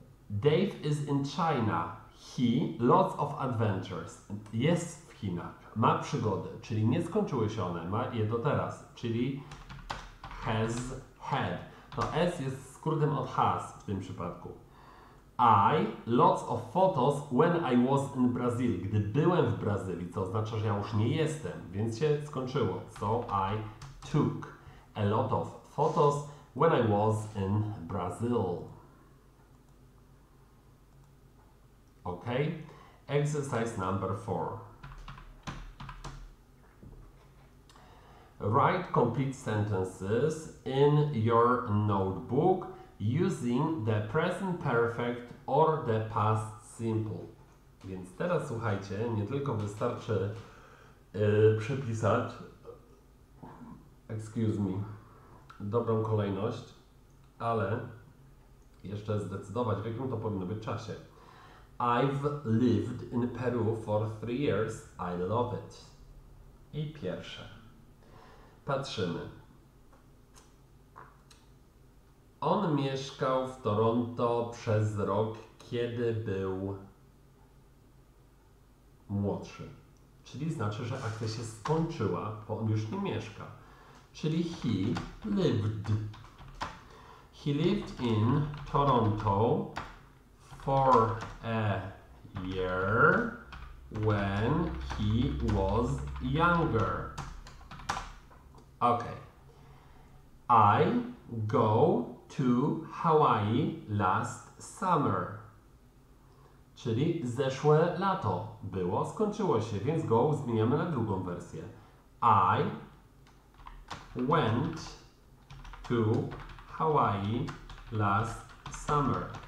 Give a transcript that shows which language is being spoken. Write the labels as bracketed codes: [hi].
[en] Dave is in China. He lots of adventures. [pl] Jest w Chinach. Ma przygody. Czyli nie skończyły się one. Ma je do teraz. Czyli [en] has had. [pl] To S jest skrótem od has w tym przypadku. [en] I lots of photos when I was in Brazil. [pl] Gdy byłem w Brazylii, co oznacza, że ja już nie jestem, więc się skończyło. [en] So I took a lot of photos when I was in Brazil. Ok. Exercise number 4. Write complete sentences in your notebook using the present perfect or the past simple. [pl] Więc teraz słuchajcie, nie tylko wystarczy przepisać, [en] excuse me, [pl] dobrą kolejność, ale jeszcze zdecydować, w jakim to powinno być czasie. [en] I've lived in Peru for 3 years. I love it. [pl] I pierwsze. Patrzymy. On mieszkał w Toronto przez rok, kiedy był młodszy. Czyli znaczy, że akcja się skończyła, bo on już nie mieszka. [en] Czyli he lived. He lived in Toronto for a year when he was younger. Okay. I go to Hawaii last summer. [pl] Czyli zeszłe lato było, skończyło się, więc go zmieniamy na drugą wersję. [en] I went to Hawaii last summer.